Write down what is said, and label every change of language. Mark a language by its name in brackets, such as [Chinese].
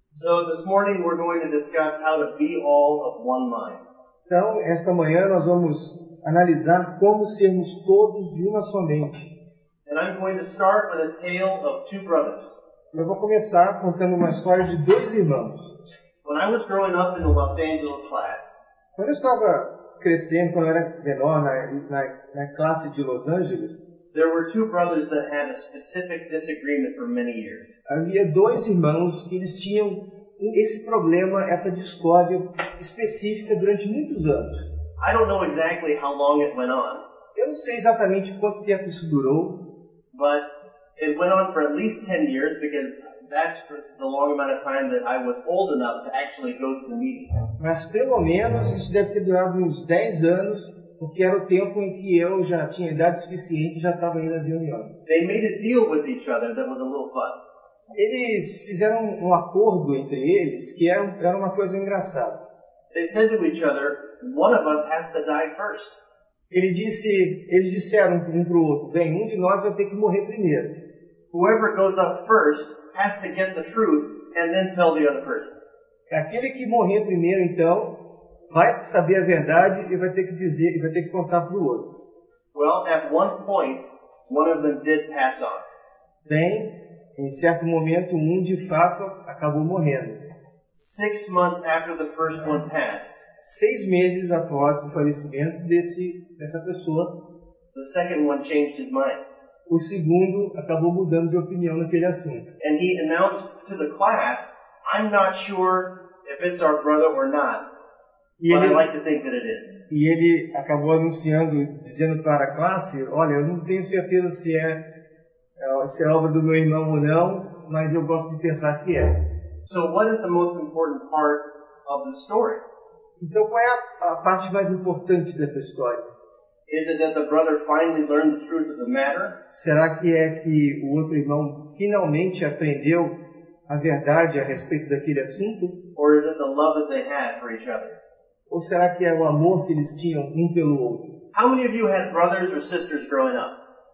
[English] So this morning we're going to discuss how to be all of one mind. [Portuguese] Então, esta manhã nós vamos analisar como sermos todos de uma só mente. [English] And I'm going to start with a tale of two brothers. [Portuguese] Eu vou começar contando uma história de dois irmãos. [English] When I was growing up in the Los Angeles class, [Portuguese] quando eu estava crescendo, quando eu era menor, na classe de Los Angeles, [English] there were two brothers that had a specific disagreement for many years. [Portuguese] Havia dois irmãos que eles tinham esse problema, essa discórdia específica durante muitos anos. [English] I don't know exactly how long it went on. [Portuguese] Eu não sei exatamente quanto tempo isso durou. [English] But it went on for at least 10 years because that's the long amount of time that I was old enough to actually go to the meeting. [Portuguese] Mas pelo menos isso deve ter durado uns 10 anos, porque era o tempo em que eu já tinha idade suficiente e já estava indo às reuniões. [English] They made a deal with each other that was a little fun. [Portuguese] Eles fizeram um acordo entre eles que era uma coisa engraçada. [English] They said to each other, one of us has to die first. [Portuguese] Eles disseram um para o outro, bem, um de nós vai ter que morrer primeiro. [English] Whoever goes up first has to get the truth and then tell the other person. [Portuguese] Aquele que morrer primeiro, então, vai saber a verdade e vai ter que dizer, vai ter que contar para o outro. [English] Well, at one point, one of them did pass on. [Portuguese] Bem, em certo momento, um de fato acabou morrendo. [English] 6 months after the first one passed, [Portuguese] 6 meses após o falecimento dessa pessoa, [English] the second one changed his mind. [Portuguese] O segundo acabou mudando de opinião naquele assunto. [English] And he announced to the class, I'm not sure if it's our brother or not, but I like to think that it is. [Portuguese] E ele acabou anunciando, dizendo para a classe, olha, eu não tenho certeza se é obra do meu irmão ou não, mas eu gosto de pensar que é. [English] So what is the most important part of the story? [Portuguese] Então qual é a parte mais importante dessa história? [English] Is it that the brother finally learned the truth of the matter? [Portuguese] Será que é que o outro irmão finalmente aprendeu a verdade a respeito daquele assunto? [English] Or is it the love that they had for each other? [Portuguese] Ou será que é o amor que eles tinham um pelo outro? [English] How many of you had brothers or sisters growing up?